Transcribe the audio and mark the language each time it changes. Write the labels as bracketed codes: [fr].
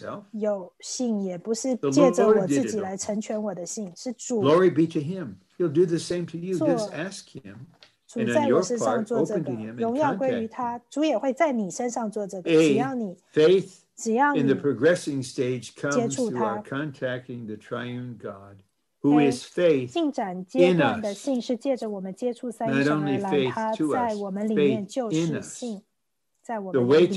[zh] 有信，也不是借着我自己来成全我的信，是主。 [en] Glory be to Him. He'll do the same to you. Just ask Him. [zh] 主在我身上做这个，荣耀归于他。主也会在你身上做这个，只要你 [en] faith， [zh] 只要你 [en] in the progressing stage comes to our contacting the triune God, who is faith. [zh] 进展阶段的信是借着我们接触三一神而来，他在我们里面就是信，在我们里面。